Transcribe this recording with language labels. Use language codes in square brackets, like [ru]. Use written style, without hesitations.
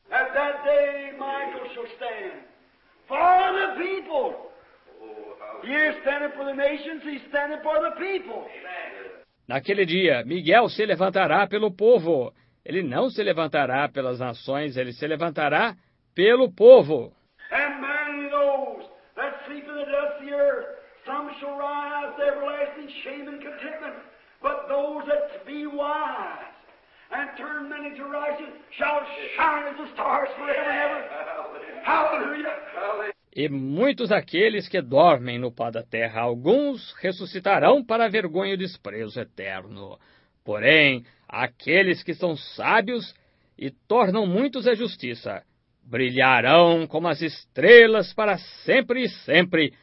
[en] At that day, Michael shall stand for the people. He is standing for the nations, he's standing for the people. [pt] Naquele dia, Miguel se levantará pelo povo. Ele não se levantará pelas nações, ele se levantará pelo povo. [en] And many those that sleep in the dust of the earth, some shall rise to everlasting shame and contentment, but those that be wise and turn many to righteousness shall shine as the stars forever and ever. Hallelujah! [pt] E muitos aqueles que dormem no pó da terra, alguns ressuscitarão para a vergonha e o desprezo eterno. Porém, aqueles que são sábios e tornam muitos a justiça, brilharão como as estrelas para sempre e sempre.